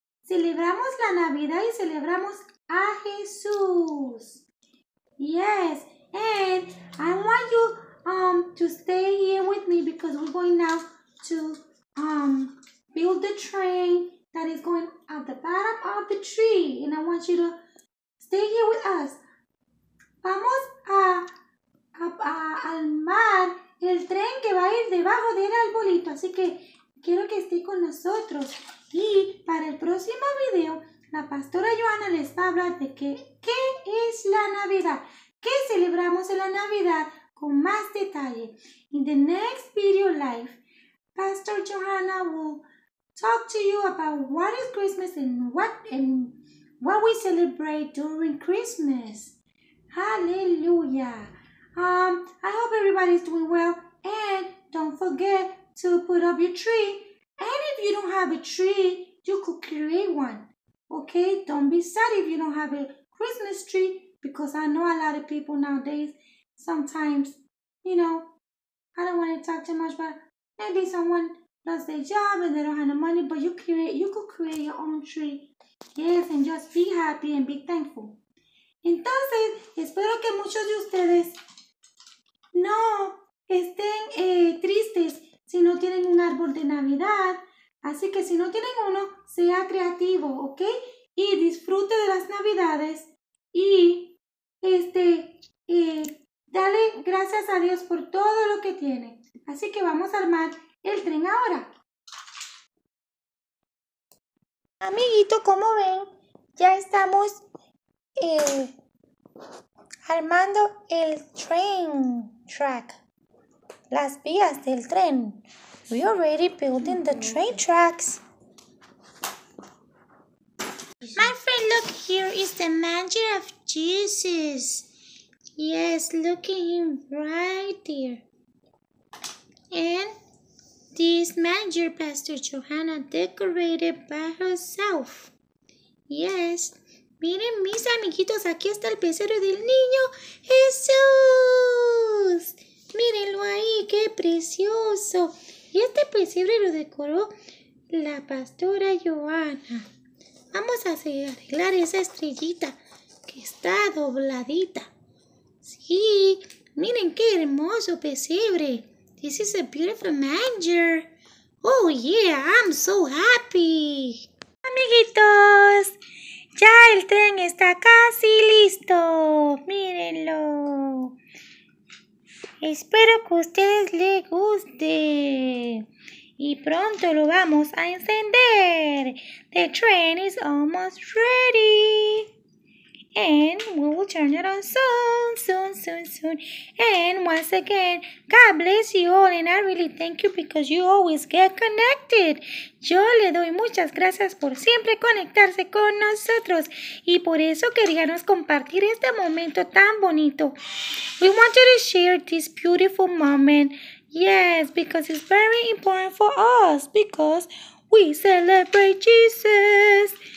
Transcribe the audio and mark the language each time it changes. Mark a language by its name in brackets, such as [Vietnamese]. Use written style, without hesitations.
[Spanish] Celebramos la Navidad y celebramos a Jesús. [English] Yes, and I want you to stay here with me because we're going now to build the train that is going at the bottom of the tree. And I want you to stay here with us. [Spanish] Vamos a armar el tren que va a ir debajo del arbolito. Así que quiero que esté con nosotros. Y para el próximo video, la pastora Joana les va a hablar de qué es la Navidad. ¿Qué celebramos en la Navidad con más detalle? [English] In the next video live, Pastor Joana will talk to you about what is Christmas and what we celebrate during Christmas. Hallelujah. I hope everybody's doing well. And don't forget to put up your tree. And if you don't have a tree, you could create one. Okay? Don't be sad if you don't have a Christmas tree, because I know a lot of people nowadays, sometimes, you know, I don't want to talk too much, but maybe someone lost their job and they don't have the money, but you could create your own tree. Yes, and just be happy and be thankful. [Spanish] Entonces, espero que muchos de ustedes no estén tristes si no tienen un árbol de Navidad. Así que si no tienen uno, sea creativo, ¿ok? Y disfrute de las Navidades y dale gracias a Dios por todo lo que tiene. Así que vamos a armar el tren ahora. Amiguito, como ven, ya estamos armando el train track. [English] Las vías del tren. We already building the train tracks. My friend, look, here is the manger of Jesus. Yes, look at him right there. And this manger, Pastor Johanna decorated by herself. Yes. [Spanish] Miren, mis amiguitos, aquí está el pesebre del niño Jesús. Mírenlo ahí, qué precioso. Y este pesebre lo decoró la pastora Joana. Vamos a arreglar esa estrellita que está dobladita. Sí, miren qué hermoso pesebre. [English] This is a beautiful manger. Oh yeah, I'm so happy. [Spanish] Amiguitos, ya el tren está casi listo. Mírenlo. Espero que a ustedes les guste. Y pronto lo vamos a encender. The train is almost ready. [English] And we will turn it on soon, soon, soon, soon. And once again, God bless you all. And I really thank you because you always get connected. [Spanish] Yo le doy muchas gracias por siempre conectarse con nosotros. Y por eso queríamos compartir este momento tan bonito. [English] We wanted to share this beautiful moment. Yes, because it's very important for us. Because we celebrate Jesus.